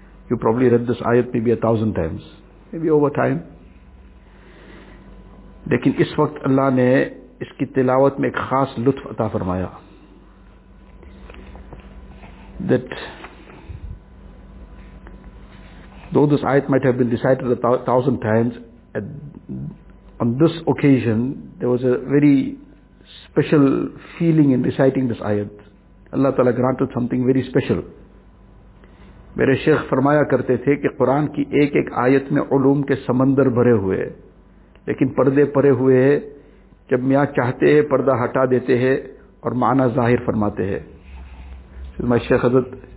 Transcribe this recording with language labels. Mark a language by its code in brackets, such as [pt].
[en] You probably read this ayat maybe 1,000 times, maybe over time. [ur] لیکن اس وقت اللہ نے اس کی تلاوت میں ایک خاص لطف عطا فرمایا. [en] That though this ayat might have been recited 1,000 times, on this occasion there was a very special feeling in reciting this ayat. Allah Ta'ala granted something very special. [ur] میرے شیخ فرمایا کرتے تھے کہ قرآن کی ایک ایک آیت میں علوم کے سمندر بھرے ہوئے لیکن پردے پرے ہوئے ہیں جب میاں چاہتے ہیں پردہ ہٹا دیتے ہیں اور معنی ظاہر فرماتے ہیں میرے شیخ حضرت